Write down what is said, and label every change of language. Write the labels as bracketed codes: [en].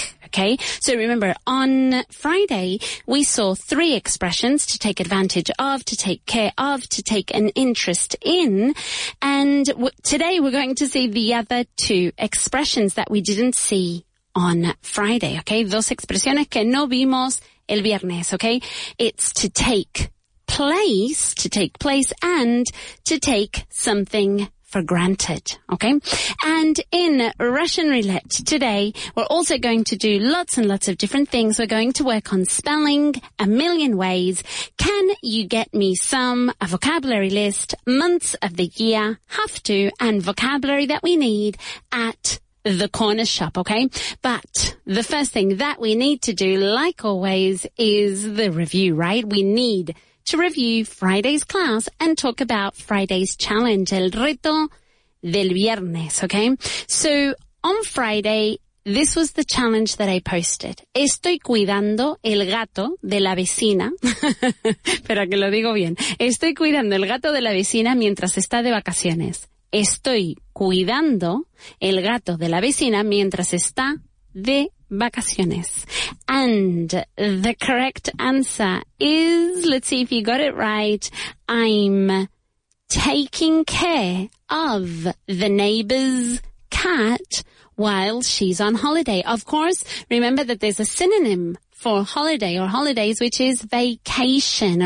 [en] Okay, so remember on Friday, we saw three expressions to take advantage of, to take care of, to take an interest in. And today we're going to see the other two expressions that we didn't see on Friday. [es] Okay, dos expresiones que no vimos el viernes. [en] Okay, it's to take place, and to take something for granted, okay? And in Russian roulette today, we're also going to do lots and lots of different things. We're going to work on spelling, a million ways. Can you get me some, a vocabulary list, months of the year, have to, and vocabulary that we need at the corner shop, okay? But the first thing that we need to do, like always, is the review, right? We need to review Friday's class and talk about Friday's challenge, [es] el reto del viernes, [en] okay? So on Friday, this was the challenge that I posted. [es] Estoy cuidando el gato de la vecina. Espera que lo digo bien. Estoy cuidando el gato de la vecina mientras está de vacaciones. Estoy cuidando el gato de la vecina mientras está de vacaciones. [en] And the correct answer is, let's see if you got it right, I'm taking care of the neighbor's cat while she's on holiday. Of course, remember that there's a synonym for holiday or holidays, which is vacation.